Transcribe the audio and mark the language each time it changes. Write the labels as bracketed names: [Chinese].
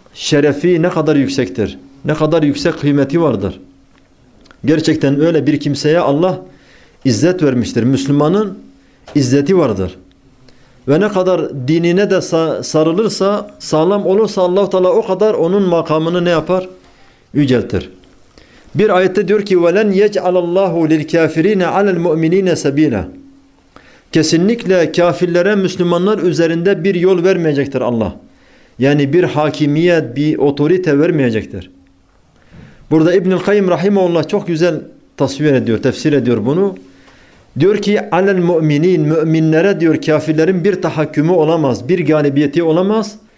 [Turkish] şerefi ne kadar yüksektir. Ne kadar yüksek kıymeti vardır. Gerçekten öyle bir kimseye Allah izzet vermiştir. Müslümanın izzeti vardır. Ve ne kadar dinine de sarılırsa, sağlam olursa Allah Teala o kadar onun makamını ne yapar? Yüceltir. Bir ayette diyor ki [Arabic] وَلَنْ يَجْعَلَ اللّٰهُ لِلْكَافِر۪ينَ عَلَى الْمُؤْمِن۪ينَ سَب۪يلًا. [Turkish] Kesinlikle kafirlere, Müslümanlar üzerinde bir yol vermeyecektir Allah. Yani bir hakimiyet, bir otorite vermeyecektir. Burada İbn-i Kayyim Rahimahullah çok güzel tasvir ediyor, tefsir ediyor bunu. Diyor ki [Arabic] عَلَى الْمُؤْمِن۪ينَ, [Turkish] müminlere diyor kafirlerin bir tahakkümü olamaz, bir galibiyeti olamaz.